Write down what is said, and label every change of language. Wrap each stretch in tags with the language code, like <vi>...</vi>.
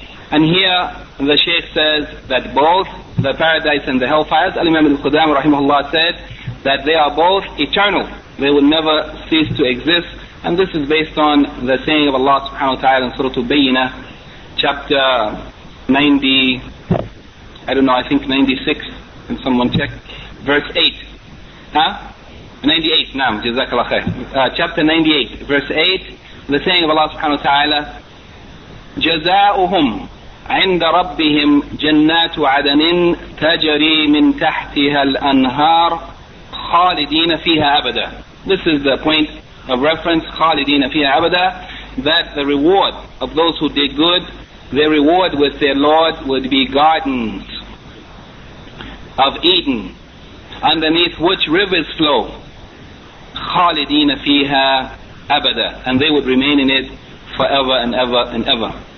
<en>And here the Shaykh says that both the paradise and the hellfires, Al-Imam Al-Qudam rahimahullah said that they are both eternal. They will never cease to exist. And this is based on the saying of Allah subhanahu wa ta'ala in Surah Al-Bayyinah, chapter 90, I don't know, I think 96, can someone check? Verse 8. Huh? 98, naam, jazakallah khair.</en> <ar>Chapter 98, verse 8, the saying of Allah subhanahu wa ta'ala, جزاؤهم عند ربهم جنات عدن تجري من تحتها الأنهار خالدين فيها أبدا.</ar> <en>This is the point of reference,</en> <ar>خالدين فيها أبدا,</ar> <en>that the reward of those who did good, their reward with their Lord would be gardens of Eden, underneath which rivers flow,</en> <ar>خَالِدِينَ فِيهَا أَبَدًا,</ar> <en>and they would remain in it forever and ever and ever.</en>